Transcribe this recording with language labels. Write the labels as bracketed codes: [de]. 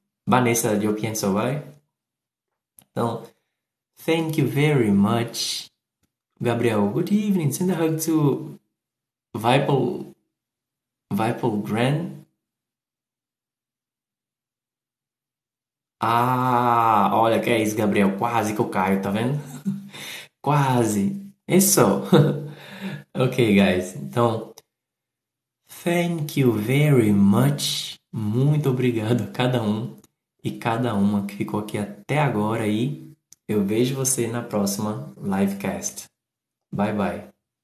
[en] Vanessa de Opienso, vai? Então. Thank you very much. Gabriel. Good evening. Send a hug to. Vipal Grand. [pt] Ah, olha que é isso, Gabriel. Quase que eu caio, tá vendo? Quase. É só. Ok, guys. [en] Então, thank you very much. [pt] Muito obrigado a cada um e cada uma que ficou aqui até agora. E eu vejo você na próxima livecast. Bye, bye.